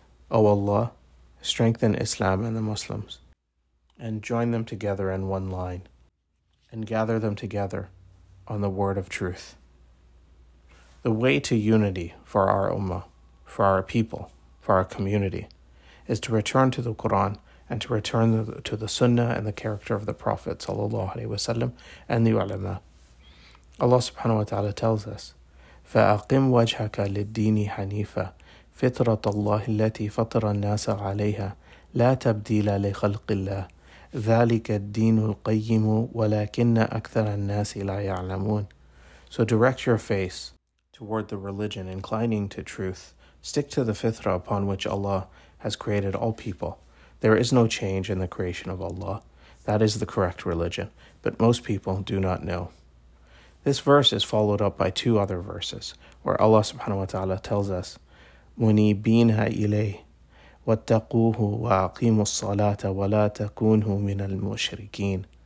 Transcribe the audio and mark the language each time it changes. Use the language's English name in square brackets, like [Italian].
[English] O Allah, strengthen Islam and the Muslims, and join them together in one line, and gather them together on the word of truth. The way to unity for our ummah, for our people, for our community, is to return to the Quran and to return to the Sunnah and the character of the Prophet sallallahu alaihi wasallam and the ulama. Allah subhanahu wa ta'ala tells us, [Arabic] فَأَقِمْ وَجْهَكَ لِلدِّينِ حَنِيفًا فِطْرَةَ اللَّهِ الَّتِي فَطْرَ النَّاسَ عَلَيْهَا لَا تَبْدِيلَ لِخَلْقِ اللَّهِ ذَلِكَ الدِّينُ الْقَيِّمُ وَلَكِنَّ أَكْثَرَ النَّاسِ لَا يَعْلَمُونَ. [English] So direct your face toward the religion inclining to truth. Stick to the fitra upon which Allah has created all people. There is no change in the creation of Allah. That is the correct religion, but most people do not know. This verse is followed up by two other verses, where Allah subhanahu wa ta'ala tells us, [Arabic] مُنِيبِينَ إِلَيْهِ وَاتَّقُوهُ وَأَقِيمُوا الصَّلَاةَ وَلَا تَكُونُوا مِنَ الْمُشْرِكِينَ.